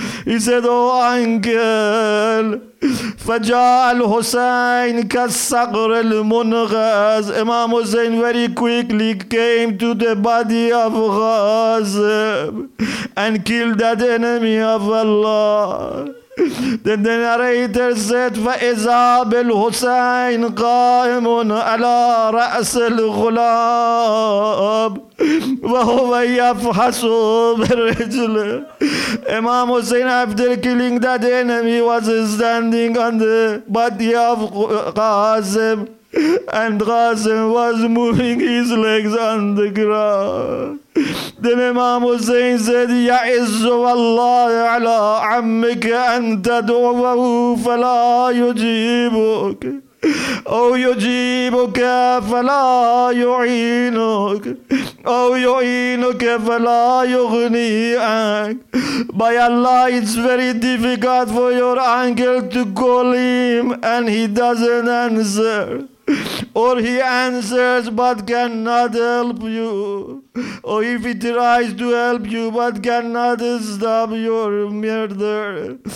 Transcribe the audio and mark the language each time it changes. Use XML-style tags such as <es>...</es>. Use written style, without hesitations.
<en>He said, oh uncle.</en> <ar>فَجَاءَ الْحُسَيْنُ كَالصَّقْرِ الْمُنْغَزِ.</ar> <en>Imam Hussein very quickly came to the body of Qasim and killed that enemy of Allah. Then the narrator said,</en> <ar>فَإِذَا بِالْحُسَيْنِ قَائِمٌ عَلَىٰ رَأْسِ الْغُلَابِ وَهُوَ يَفْحَسُ بِرِجْلِ.</ar> <en>Imam Hussein, after killing that enemy, was standing on the body of Qasim, and Qasim was moving his legs on the ground. Then Imam Hussein said,</en> <ar>Ya izzu wallahi ala ammika an tad'uwahu fala yujibuk. أو يجيبك فلا يعينك أو يعينك فلا يغني عنك.</ar> <en>By Allah, it's very difficult for your uncle to call him and he doesn't answer. Or he answers but cannot help you. Or if he tries to help you but cannot stop your murder.</en>